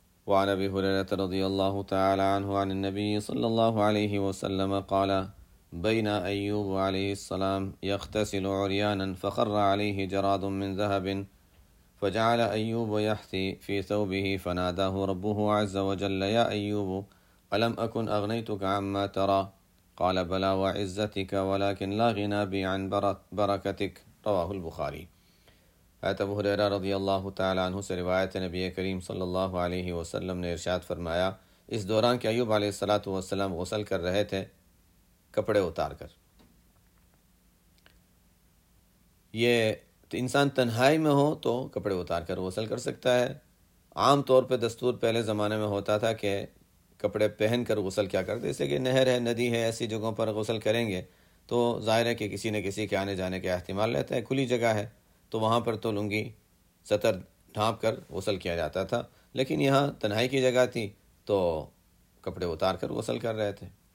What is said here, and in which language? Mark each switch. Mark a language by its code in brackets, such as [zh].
[ar] وعن ابی ہریرہ رضی اللہ تعالی عنہ عن النبی صلی اللہ علیہ وسلم قال بین ایوب علیہ السلام یغتسل عریانا فخر علیہ جراد من ذہب فجعل ایوب یحثی فی ثوبه فناداہ ربه عز وجل یا ایوب الم اكن اغنيتك عما ترى قال بلى وعزتك ولكن لا غنى بي عن بركتك. رواه البخاري. [ur] حضرت ابو ہریرہ رضی اللہ تعالی عنہ سے روایت ہے، نبی کریم صلی اللہ علیہ وسلم نے ارشاد فرمایا، اس دوران کہ ایوب علیہ الصلوۃ والسلام غسل کر رہے تھے کپڑے اتار کر، یہ تو انسان تنہائی میں ہو تو کپڑے اتار کر غسل کر سکتا ہے، عام طور پہ دستور پہلے زمانے میں ہوتا تھا کہ کپڑے پہن کر غسل کیا کرتے، اس لیے کہ نہر ہے، ندی ہے، ایسی جگہوں پر غسل کریں گے تو ظاہر ہے کہ کسی نے کسی کے آنے جانے کا احتمال رہتا ہے، کھلی جگہ ہے تو وہاں پر تو لنگی سطر ڈھانپ کر غسل کیا جاتا تھا، لیکن یہاں تنہائی کی جگہ تھی تو کپڑے اتار کر غسل کر رہے تھے.